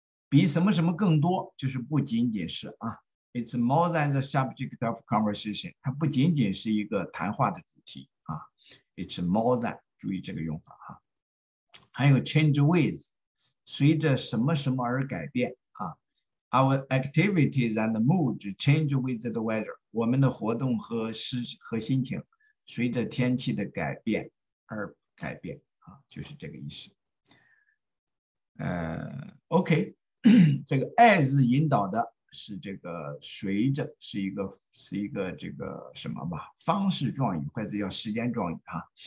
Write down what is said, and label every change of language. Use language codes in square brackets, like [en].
[zh] 比什么什么更多，就是不仅仅是啊。 [en] It's more than the subject of conversation， [zh] 它不仅仅是一个谈话的主题啊。 [en] It's more than， [zh] 注意这个用法啊。还有 change with，随着什么什么而改变啊。 [en] Our activities and mood change with the weather. [zh] 我们的活动和心情随着天气的改变而改变啊，就是这个意思。 OK， 这个 as 引导的是这个随着，是一个这个什么吧，方式状语或者叫时间状语啊。